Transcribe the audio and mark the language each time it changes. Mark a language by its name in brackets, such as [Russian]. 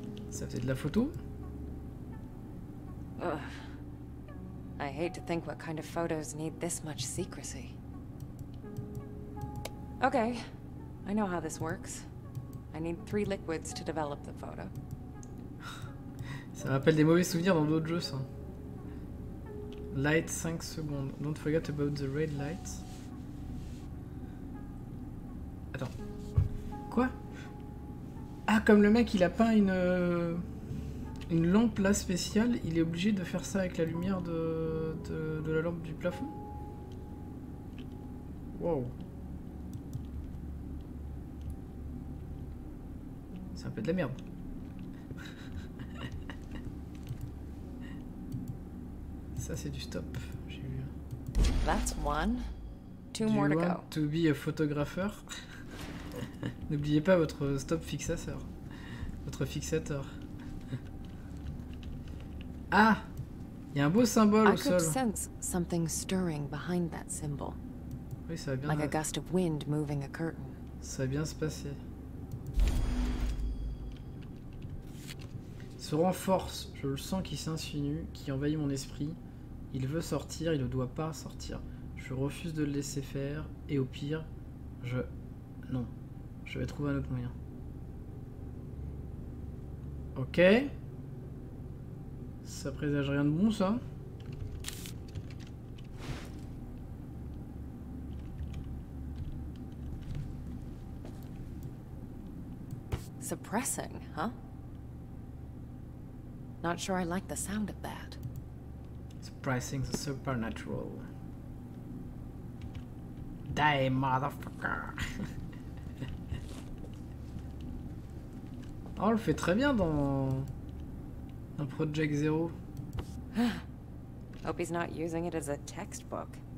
[French] Ça faisait de la photo? [English] I hate to think what kind of photos need this much secrecy. Okay, I know how this works. I need three liquids to develop the photo. [French] Ça rappelle des mauvais souvenirs dans d'autres jeux, ça. Light 5 secondes. [English] Don't forget about the red light. [French] Attends. Quoi? Ah, comme le mec, il a peint une lampe là spéciale, il est obligé de faire ça avec la lumière de la lampe du plafond. Wow. C'est un peu de la merde. Ça c'est du stop, j'ai vu. [English] That's one. Two more to go. To be a photographer. [French] N'oubliez pas votre stop fixateur. Votre fixateur. Ah, il y a un beau symbole au sol. [English] I could sense something stirring behind that symbol. [French] Oui, ça va bien. [English] Like a gust of wind moving a curtain. [French] Ça va bien se passer. Se renforce, je le sens qui s'insinue, qui envahit mon esprit. Il veut sortir, il ne doit pas sortir. Je refuse de le laisser faire, et au pire, je... Non, je vais trouver un autre moyen. Ok. Ça présage rien de bon, ça. [English] Suppressing, huh? Not sure I like the sound of that. Pricing the supernatural. Die, motherfucker! [French] Oh, on le fait très bien dans Project Zero. [English] Hope he's not using it as a textbook.